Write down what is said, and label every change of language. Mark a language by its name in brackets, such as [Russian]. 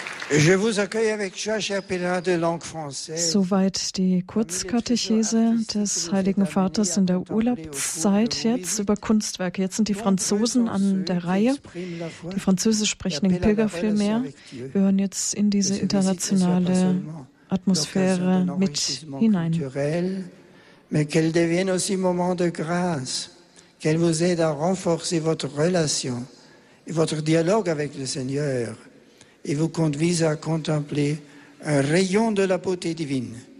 [French] Je vous accueille avec joie, cher pèlerin de langue française. [German] Soweit die Kurzkatechese des Heiligen Vaters in der Urlaubszeit jetzt über Kunstwerke. Jetzt sind die Franzosen an der Reihe, die französischsprachigen Pilger vielmehr. Wir hören jetzt in diese internationale Atmosphäre mit hinein. [French] Mais qu'elle devienne aussi moment de grâce, qu'elle vous aide à renforcer votre relation et votre dialogue avec le Seigneur. Et vous conduise à contempler un rayon de la beauté divine.